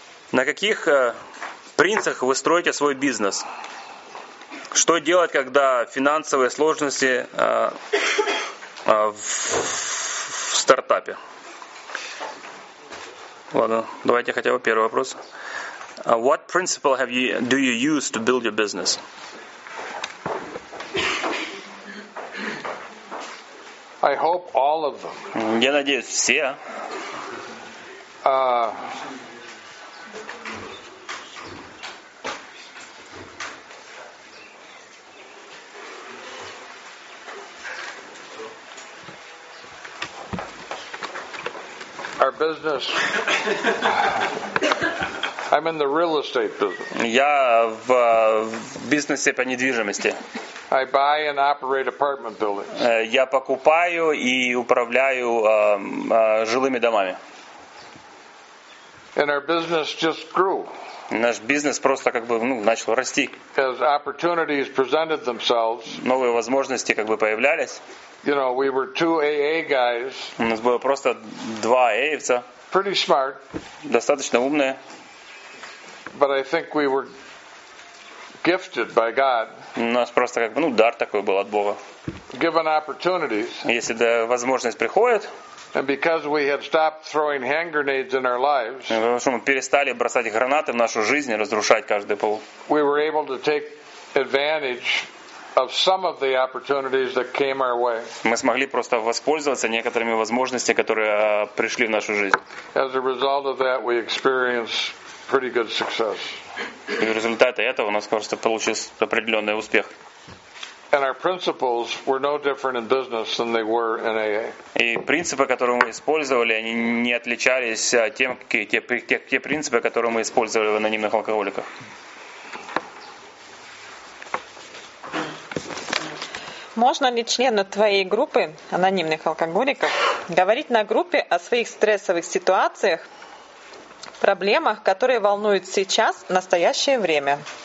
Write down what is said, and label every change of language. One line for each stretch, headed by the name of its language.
Russian: На каких принципах вы строите свой бизнес? Что делать, когда финансовые сложности в стартапе? Ладно, давайте хотя бы первый вопрос.
English: What principle do you use to build your business? I hope all of them.
Russian: Я надеюсь, все.
English: Our business. I'm in the real estate business.
Russian: Я в бизнесе по недвижимости.
English: I buy and operate apartment buildings.
Russian: Я покупаю и управляю жилыми домами.
English: And our business just grew.
Russian: Наш бизнес просто как бы начал расти.
English: As opportunities presented themselves.
Russian: Новые возможности как бы появлялись.
English: You know, we were two AA guys.
Russian: У нас было просто два AA-вца.
English: Pretty smart.
Russian: Достаточно умные.
English: But I think we were gifted by God.
Russian: У нас просто как бы дар такой был от Бога.
English: Given opportunities.
Russian: Если возможность приходит.
English: And because we had stopped throwing hand grenades in our lives.
Russian: Потому что мы перестали бросать гранаты в нашу жизнь и разрушать каждый пол.
English: We were able to take advantage of some of the opportunities that came our way.
Russian: Мы смогли просто воспользоваться некоторыми возможностями, которые пришли в нашу жизнь.
English: As a result of that, we experienced pretty good success.
Russian: И в результате этого у нас просто получился определенный успех.
English: And our principles were no different in business than they were in AA.
Russian: И принципы, которые мы использовали, они не отличались от тем, те принципы, которые мы использовали в анонимных алкоголиках. Можно ли члену твоей группы анонимных алкоголиков говорить на группе о своих стрессовых ситуациях, проблемах, которые волнуют сейчас, в настоящее время?